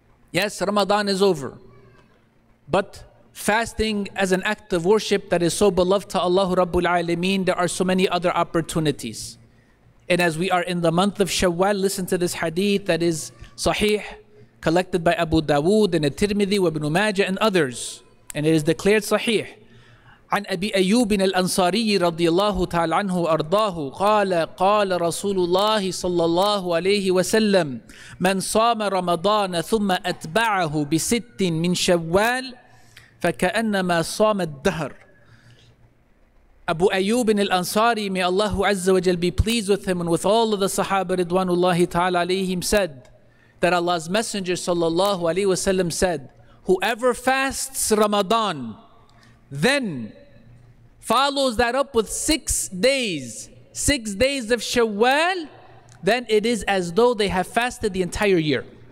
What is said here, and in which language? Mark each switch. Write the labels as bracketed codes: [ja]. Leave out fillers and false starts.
[en] Yes, Ramadan is over, but fasting as an act of worship that is so beloved to Allah Rabbul Alameen, there are so many other opportunities. And as we are in the month of Shawwal, listen to this hadith that is sahih, collected by Abu Dawood and At-Tirmidhi wa Ibn Majah and others, and it is declared sahih. [ar] عن أبي أيوب الأنصاري رضي الله تعالى عنه أرضاه قال قال رسول الله صلى الله عليه وسلم من صام رمضان ثم أتبعه بست من شوال فكأنما صام الدهر. [en] أبو أيوب الأنصاري, may Allah عز وجل be pleased with him and with all of the صحابة [ar] رضوان الله تعالى عليهم, [en] said that Allah's Messenger [ar] صلى الله عليه وسلم [en] said, whoever fasts Ramadan, then follows that up with 6 days, 6 days of Shawwal, then it is as though they have fasted the entire year.